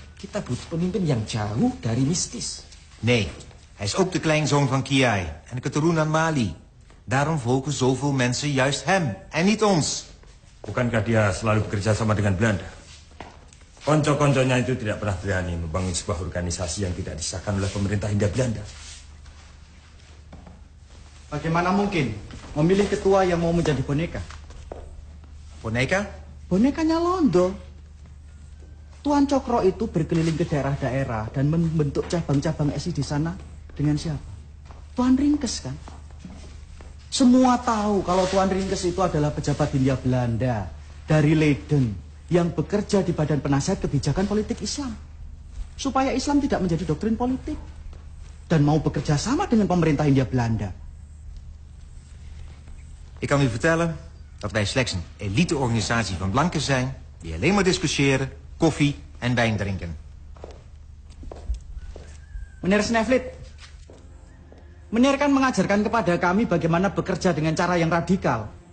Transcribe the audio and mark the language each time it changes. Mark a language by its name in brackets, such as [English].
[Indonesian] Kita butuh pemimpin yang jauh dari mistis. [Dutch] Nee, hij is ook de kleinzoon van Kiai en de keturunan Mali. Daarom volgen zoveel mensen juist hem en niet ons. [Indonesian] Bukankah dia selalu bekerja sama dengan Belanda? Konco-konconya itu tidak pernah berani membangun sebuah organisasi yang tidak disahkan oleh pemerintah Hindia Belanda. Bagaimana mungkin memilih ketua yang mau menjadi boneka? Boneka? Bonekanya Londo. Tuan Cokro itu berkeliling ke daerah-daerah dan membentuk cabang-cabang SI di sana dengan siapa? Tuan Ringkes kan? Semua tahu kalau Tuan Ringkes itu adalah pejabat Hindia Belanda dari Leiden yang bekerja di Badan Penasihat Kebijakan Politik Islam supaya Islam tidak menjadi doktrin politik dan mau bekerja sama dengan pemerintah Hindia Belanda. [Dutch] Ik kan u vertellen dat wij slechts een elite organisatie van blanken zijn die alleen maar discussiëren, koffie en wijn drinken. [Indonesian] Meneer Snevlit, meneer kan mengajarkan kepada kami bagaimana bekerja dengan cara yang radikal.